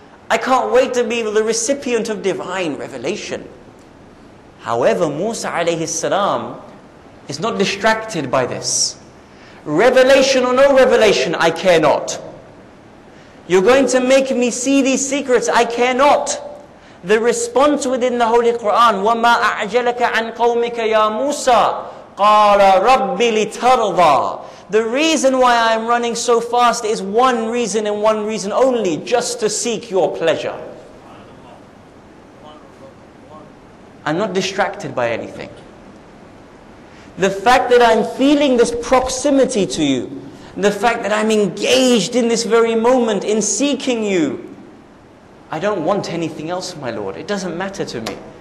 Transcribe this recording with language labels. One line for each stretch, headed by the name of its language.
English: I can't wait to be the recipient of divine revelation. However, Musa alayhi salam is not distracted by this. Revelation or no revelation, I care not. You're going to make me see these secrets, I care not. The response within the Holy Quran,
Arabic: وَمَا أَعْجَلَكَ عَنْ قَوْمِكَ يَا مُوسَى قَالَ رَبِّ لِتَرْضَى.
English: The reason why I'm running so fast is one reason and one reason only, just to seek your pleasure. I'm not distracted by anything. The fact that I'm feeling this proximity to you, the fact that I'm engaged in this very moment in seeking you, I don't want anything else, my Lord. It doesn't matter to me.